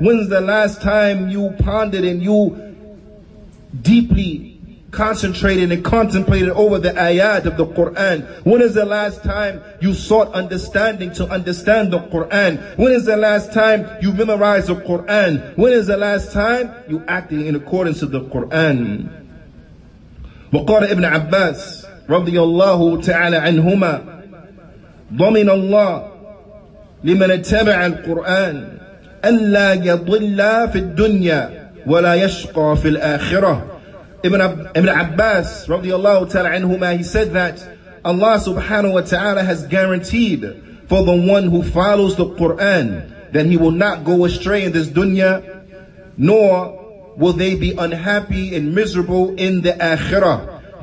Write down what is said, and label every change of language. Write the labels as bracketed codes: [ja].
[en] When's the last time you pondered and you deeply concentrated and contemplated over the ayat of the Quran? When is the last time you sought understanding to understand the Quran? When is the last time you memorized the Quran? When is the last time you acted in accordance with the Quran? [ar] وقال ابن عباس رضي الله تعالى عنهما ضمن الله لمن اتبع القرآن ألا يضل في الدنيا ولا يشقى في الآخرة. [en] Ibn Abbas radiallahu ta'ala anhuma, he said that Allah subhanahu wa ta'ala has guaranteed for the one who follows the Quran that he will not go astray in this dunya, nor will they be unhappy and miserable in the akhirah.